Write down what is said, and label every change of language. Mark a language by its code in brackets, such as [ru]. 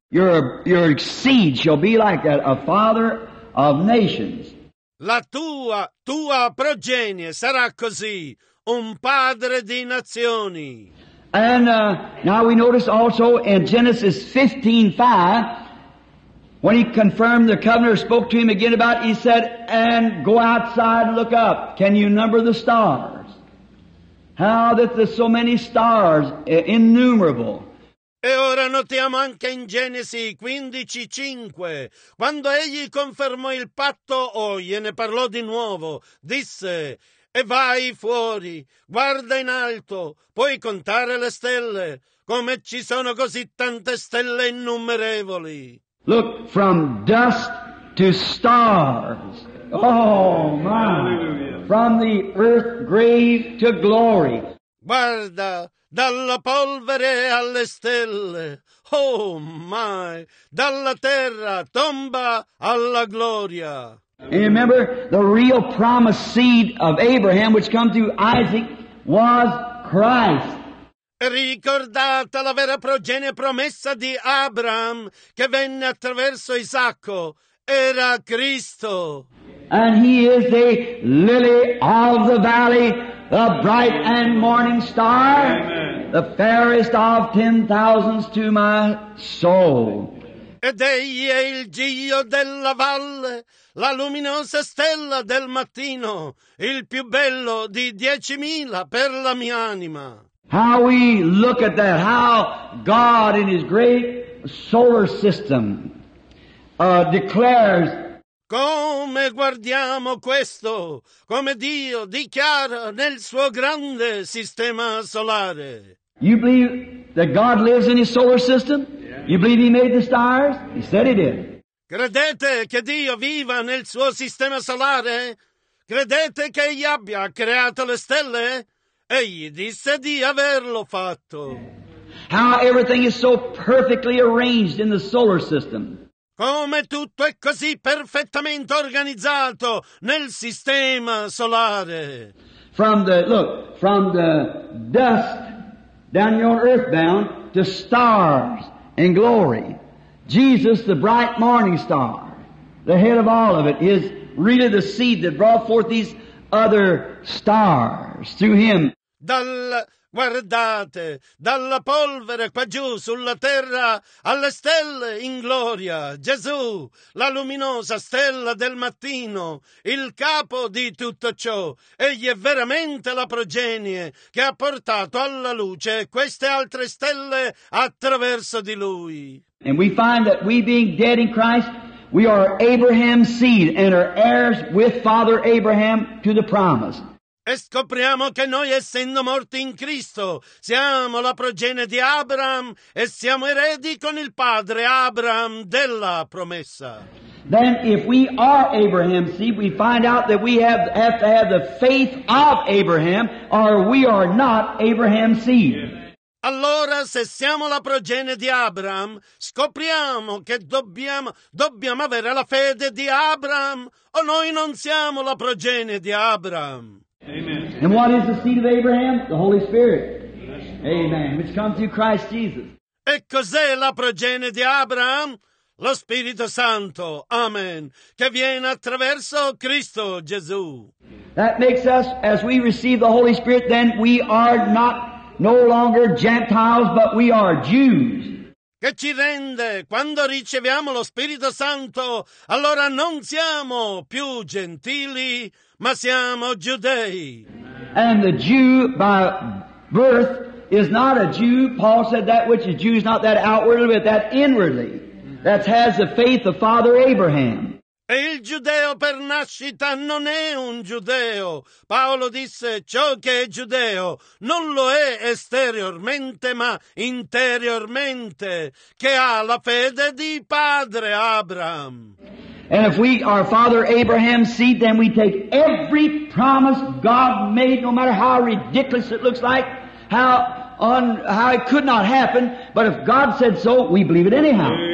[en] Your seed shall be like a father of nations. [it] La tua progenie sarà così, un padre di nazioni. [en] And now we notice also in Genesis 15:5, when he confirmed the covenant, spoke to him again about it, he said, and go outside and look up. Can you number the stars? How that there's so many stars, innumerable. [it] E ora notiamo anche in Genesi 15:5, quando egli confermò il patto, gliene parlò di nuovo, disse, e vai fuori, guarda in alto, puoi contare le stelle, come ci sono così tante stelle innumerevoli. [en] Look, from dust to stars. Oh, my. Hallelujah. From the earth grave to glory. [it] Guarda, dalla polvere alle stelle. [en] Oh, my. [it] Dalla terra, tomba alla gloria. [en] And you remember, the real promised seed of Abraham, which come through Isaac, was Christ. [it] Ricordate la vera progenie promessa di Abraham, che venne attraverso Isacco, era Cristo. [en] And he is the lily of the valley, the bright and morning star, amen, the fairest of 10,000s to my soul. [it] Ed egli è il giglio della valle, la luminosa stella del mattino, il più bello di 10,000 per la mia anima. [en] How we look at that, how God in his great solar system declares. [it] Come guardiamo questo, come Dio dichiara nel suo grande sistema solare. [en] You believe that God lives in his solar system? Yeah. You believe he made the stars? He said he did. [it] Credete che Dio viva nel suo sistema solare? Credete che egli abbia creato le stelle? Egli disse di averlo fatto. [en] How everything is so perfectly arranged in the solar system. [it] Come tutto è così perfettamente organizzato nel sistema solare. [en] From the dust down your earthbound to stars and glory. Jesus, the bright morning star, the head of all of it, is really the seed that brought forth these other stars through him. [it] Guardate, dalla polvere qua giù sulla terra alle stelle in gloria, Gesù, la luminosa stella del mattino, il capo di tutto ciò, egli è veramente la progenie che ha portato alla luce queste altre stelle attraverso di lui. [en] And we find that we being dead in Christ, we are Abraham's seed and are heirs with Father Abraham to the promise. [it] E scopriamo che noi, essendo morti in Cristo, siamo la progenie di Abraham e siamo eredi con il padre Abraham della promessa. [en] Then if we are Abraham's seed, we find out that we have to have the faith of Abraham, or we are not Abraham's seed. [it] Allora, se siamo la progenie di Abraham, scopriamo che dobbiamo avere la fede di Abraham, o noi non siamo la progenie di Abraham. [en] Amen. And what is the seed of Abraham? The Holy Spirit. Yes. Amen. Which comes through Christ Jesus. [it] E cos'è la progenie di Abraham? Lo Spirito Santo. Amen. Che viene attraverso Cristo Gesù. [en] That makes us, as we receive the Holy Spirit, then we are no longer Gentiles, but we are Jews. [it] Che ci rende, quando riceviamo lo Spirito Santo, allora non siamo più gentili, ma siamo giudei. [en] And the Jew by birth is not a Jew. Paul said that which is Jew is not that outwardly, but that inwardly. That has the faith of Father Abraham. [it] E il giudeo per nascita non è un giudeo. Paolo disse, ciò che è giudeo non lo è esteriormente, ma interiormente, che ha la fede di padre Abraham. [en] And if we are Father Abraham's seed, then we take every promise God made, no matter how ridiculous it looks like, how it could not happen, but if God said so, we believe it anyhow.